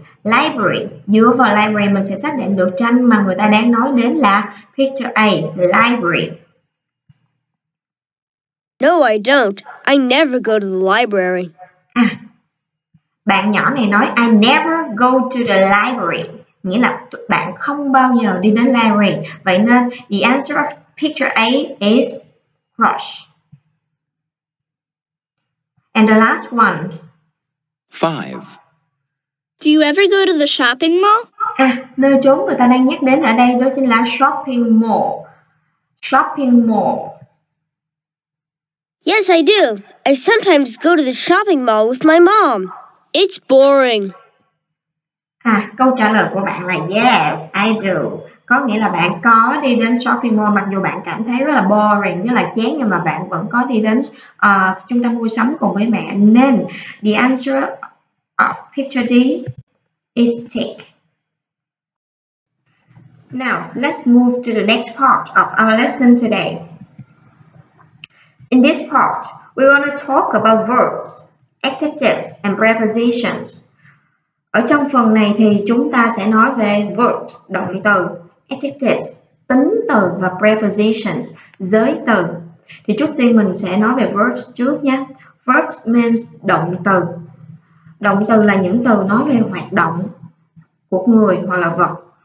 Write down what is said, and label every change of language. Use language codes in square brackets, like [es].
[vi] Library, dựa vào library mình sẽ xác định được tranh mà người ta đang nói đến là picture A, library. [en] No, I don't. I never go to the library. [vi] À, bạn nhỏ này nói [en] I never go to the library, [vi] nghĩa là bạn không bao giờ đi đến library. Vậy nên [en] the answer of picture A is crush. And the last one. 5. Do you ever go to the shopping mall? [vi] À, nơi chốn người ta đang nhắc đến ở đây đó chính là shopping mall. [en] Shopping mall. Yes, I do. I sometimes go to the shopping mall with my mom. It's boring. [vi] À, câu trả lời của bạn là [en] yes, I do. [vi] Có nghĩa là bạn có đi đến shopping mall mặc dù bạn cảm thấy rất là boring, như là chán, nhưng mà bạn vẫn có đi đến trung tâm mua sắm cùng với mẹ. Nên [en] the answer of picture D is tick. Now, let's move to the next part of our lesson today. In this part, we want to talk about verbs, adjectives, and prepositions. [vi] Ở trong phần này thì chúng ta sẽ nói về verbs, động từ, adjectives, tính từ và prepositions, giới từ. Thì trước tiên mình sẽ nói về verbs trước nha. Verbs means động từ. Động từ là những từ nói về hoạt động của người hoặc là vật.